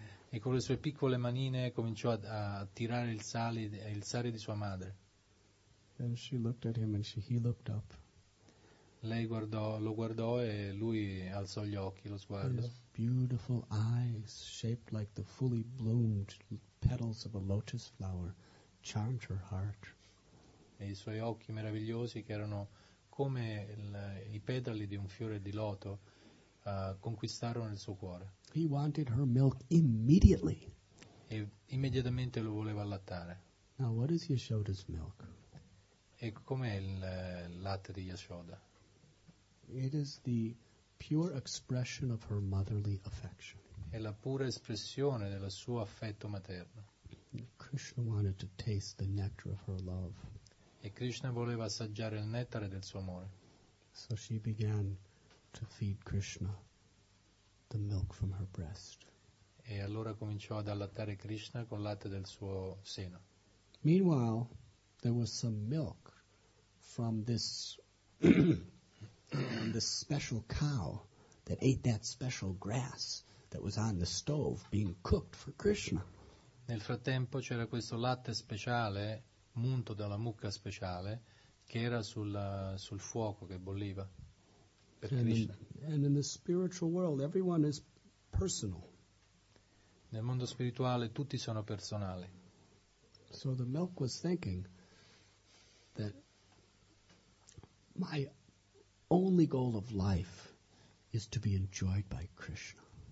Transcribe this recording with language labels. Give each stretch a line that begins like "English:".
Italian: E con le sue piccole manine cominciò a tirare il sari di sua madre.
English: And she looked at him and he looked up.
Italian: Lei lo guardò e lui alzò gli occhi, lo sguardo.
English: His beautiful eyes, shaped like the fully bloomed petals of a lotus flower, charmed her heart.
Italian: E i suoi occhi meravigliosi, che erano come i petali di un fiore di loto, conquistarono il suo cuore.
English: He wanted her milk immediately.
Italian: E immediatamente lo voleva allattare.
English: Now what is Yashoda's milk?
Italian: E com'è il latte di Yashoda?
English: It is the pure expression of her motherly affection.
Italian: È la pura espressione del suo affetto materno.
English: Krishna wanted to taste the nectar of her love.
Italian: E Krishna voleva assaggiare il nettare del suo amore.
English: So she began to feed Krishna the milk from her breast.
Italian: E allora cominciò ad allattare Krishna con latte del suo seno.
English: Meanwhile, there was some milk from this this special cow that ate that special grass that was on the stove being cooked for Krishna.
Italian: Nel frattempo c'era questo latte speciale munto dalla mucca speciale che era sul fuoco che bolliva per Krishna.
English: And in the spiritual world everyone is personal.
Italian: Nel mondo spirituale tutti sono personali.
English: So the milk was thinking that my only goal of life is to be enjoyed by Krishna.